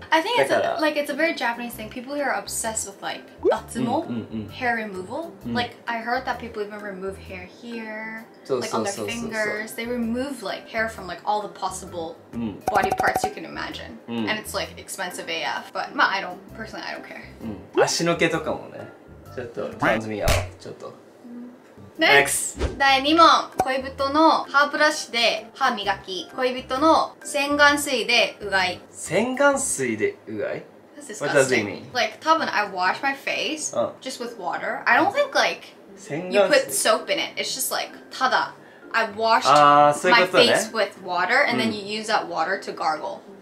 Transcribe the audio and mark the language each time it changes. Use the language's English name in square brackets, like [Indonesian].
[English] I think it's like it's a very Japanese thing. People here are obsessed with like 脱毛 hair removal. Like I heard that people even remove hair here, like on their fingers. They remove like hair from like all the possible body parts you can imagine. And it's like expensive AF. But まあ I don't personally I don't care. [Japanese] 足の毛とかもね、ちょっと [English] turns me off [Japanese] ちょっと。 [English] Next! [Japanese] 第2問恋人の歯ブラシで歯磨き恋人の洗顔水でうがい洗顔水でうがい [English] What does it mean? Like, 多分 I wash my face just with water. I don't think like you put soap in it. It's just like, ただ I washed my face with water and then you use that water to gargle.